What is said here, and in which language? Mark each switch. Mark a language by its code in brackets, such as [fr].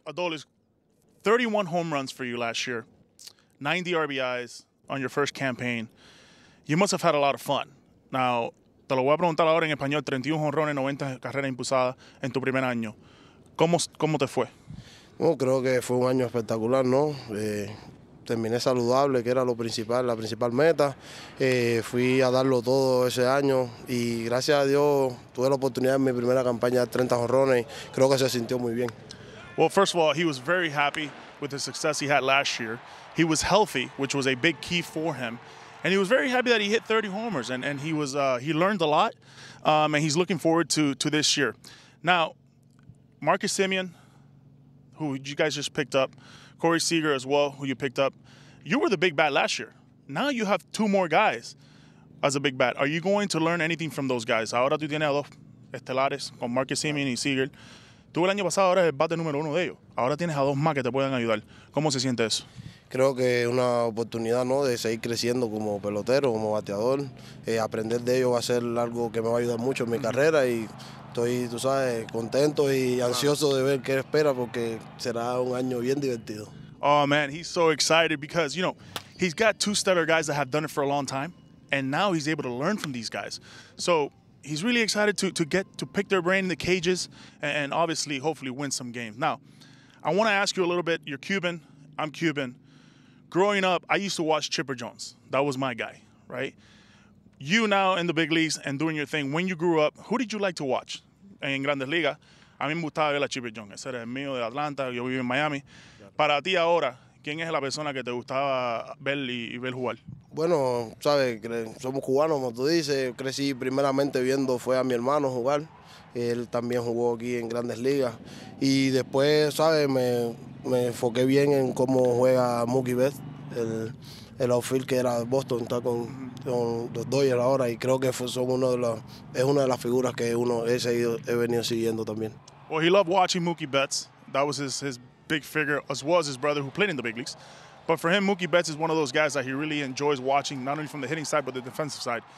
[en] Adolis, 31 home runs for you last year, 90 RBIs on your first campaign. You must have had a lot of fun. [es] Now, te lo voy a preguntar ahora en español, 31 jonrones, 90 carreras impulsadas en tu primer año. ¿Cómo te fue? Bueno, creo que fue un año espectacular, ¿no? Terminé saludable, que era lo principal, la principal meta. Fui a darlo todo ese año y gracias a Dios tuve la oportunidad en mi primera campaña de 30 jonrones. Creo que se sintió muy bien. [en] Well, first of all, he was very happy with the success he had last year. He was healthy, which was a big key for him. And he was very happy that he hit 30 homers, and he was he learned a lot, and he's looking forward to this year. Now, Marcus Semien, who you guys just picked up, Corey Seager as well, who you picked up, you were the big bat last year. Now you have two more guys as a big bat. Are you going to learn anything from those guys? [es] Ahora tú tienes dos estelares con Marcus Semien y Seager. Tú el año pasado eras el bate número uno de ellos. Ahora tienes a dos más que te pueden ayudar. ¿Cómo se siente eso? Creo que es una oportunidad, ¿no?, de seguir creciendo como pelotero, como bateador. Aprender de ellos va a ser algo que me va a ayudar mucho en mi carrera y estoy, tú sabes, contento y ansioso de ver qué espera porque será un año bien divertido. [en] Oh, man, he's so excited because, you know, he's got two stellar guys that have done it for a long time and now he's able to learn from these guys. So he's really excited to pick their brain in the cages and obviously, hopefully, win some games. Now, I want to ask you a little bit. You're Cuban. I'm Cuban. Growing up, I used to watch Chipper Jones. That was my guy, right? You now in the big leagues and doing your thing. When you grew up, who did you like to watch? [es] En Grandes Ligas, a mí me gustaba ver a Chipper Jones. Ese era el mío de Atlanta, yo vivo en Miami. Para ti ahora, ¿quién es la persona que te gustaba ver y ver jugar? Bueno, sabes, somos cubanos, como tú dices. Crecí primeramente viendo fue a mi hermano jugar. Él también jugó aquí en Grandes Ligas. Y después, sabes, me enfoqué bien en cómo juega Mookie Betts, el outfield que era Boston, está con los Dodgers ahora. Y creo que es una de las figuras que uno he venido siguiendo también. [en] Well, he loved watching Mookie Betts. That was his big figure, as well as his brother who played in the big leagues. But for him, Mookie Betts is one of those guys that he really enjoys watching, not only from the hitting side, but the defensive side.